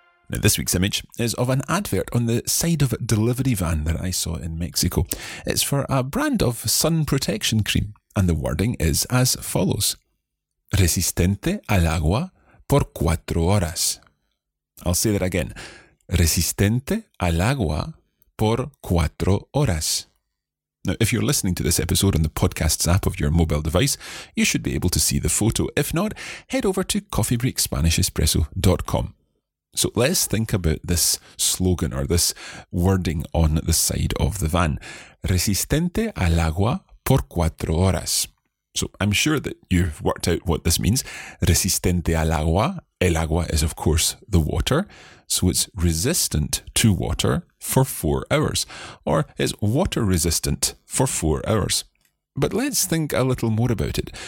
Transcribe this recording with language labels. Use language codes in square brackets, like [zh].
[en] Now, this week's image is of an advert on the side of a delivery van that I saw in Mexico. It's for a brand of sun protection cream, and the wording is as follows. [es] Resistente al agua por 4 horas. [en] I'll say that again. [es] Resistente al agua por 4 horas. [en] Now, if you're listening to this episode on the podcast's app of your mobile device, you should be able to see the photo. If not, head over to coffeebreakspanishespresso.com. So let's think about this slogan or this wording on the side of the van. [es] Resistente al agua por 4 horas. [en] So I'm sure that you've worked out what this means. [es] Resistente al agua. El agua [en] is, of course, the water. So it's resistant to water for 4 hours. Or it's water resistant for 4 hours. But let's think a little more about it.